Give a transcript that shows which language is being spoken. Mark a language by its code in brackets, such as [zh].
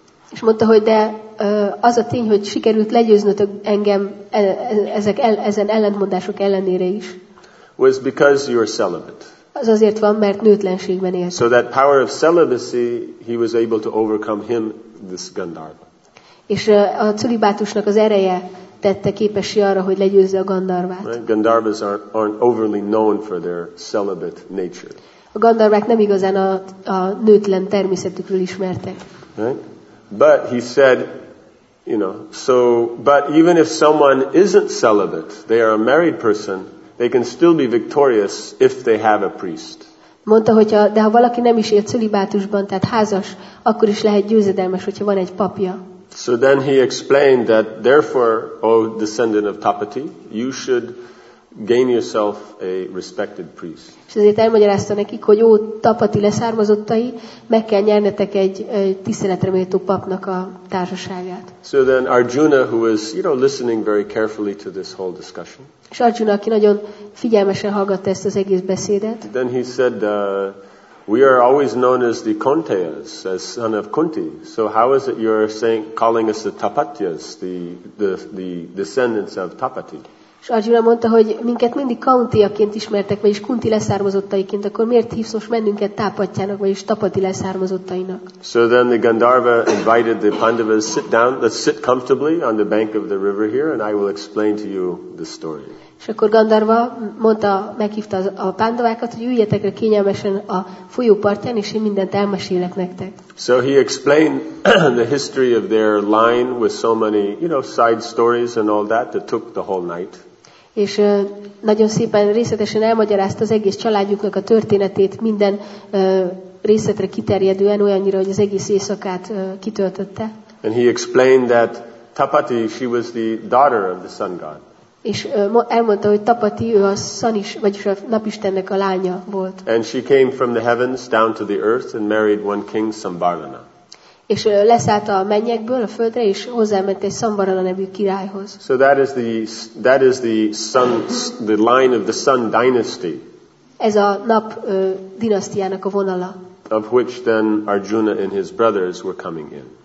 [hu] És mondta, hogy de az a tény, hogy sikerült legyőznötök engem ezen ellentmondások ellenére is. [en] Was because you are celibate. [hu] Az azért van, mert nőtlenségben élt. [en] So that power of celibacy, he was able to overcome him, this Gandharva. [hu] És a cölibátusnak az ereje tette képessé arra, hogy legyőzze a Gandharvát. [en] Right? Gandharvas aren't overly known for their celibate nature. [hu] A Gandharvák nem igazán a nőtlen természetükről ismertek. [en] Right? But he said, You know, so, but even if someone isn't celibate, they are a married person, they can still be victorious if they have a priest. [hu] Mondta, hogyha, de ha valaki nem is él celibátusban, tehát házas, akkor is lehet győzedelmes, hogyha van egy papja. [en] So then he explained that therefore, O descendant of Tapati, you should gain yourself a respected priest. [hu] És ezért elmagyarázta nekik, hogy ó, Tapati leszármazottai, meg kell nyernetek egy tiszteletre méltó papnak a társaságát. [en] So then Arjuna, who was, you know, listening very carefully to this whole discussion. [hu] És Arjuna, aki nagyon figyelmesen hallgatta ezt az egész beszédet. [en] Then he said, we are always known as the Kunteyas, as son of Kunti. So how is it you are saying, calling us the Tapatyas, the descendants of Tapati? [hu] És Arjuna mondta, hogy minket mindig Kuntiaként ismertek, vagyis Kunti leszármazottaiként, akkor miért hívsz most mennünket Tapatyának, vagyis Tapati leszármazottainak? [en] So then the Gandharva invited the Pandavas, sit down, let's sit comfortably on the bank of the river here, and I will explain to you the story. [hu] És akkor Gandharva mondta, meghívta a Pandavákat, hogy üljetek le kényelmesen a folyópartján, és én mindent elmesélek nektek. [en] So he explained the history of their line with so many, you know, side stories and all that that took the whole night. [hu] És nagyon szépen részletesen elmagyarázta az egész családjuknak a történetét minden részletre kiterjedően, olyannyira, hogy az egész éjszakát kitöltötte. [en] And he explained that Tapati, she was the daughter of the sun god. [hu] És elmondta, hogy Tapati, ő a Sun is, vagyis a napistennek a lánya volt. [en] And she came from the heavens down to the earth and married one king, Sambarana. [hu] És leszállt a mennyekből a földre, és hozzáment egy Sambarana nevű királyhoz. [en] So that is the sun, the line of the sun dynasty. [hu] Ez a nap dinasztiának a vonala. [en] Of which then Arjuna and his brothers were coming in.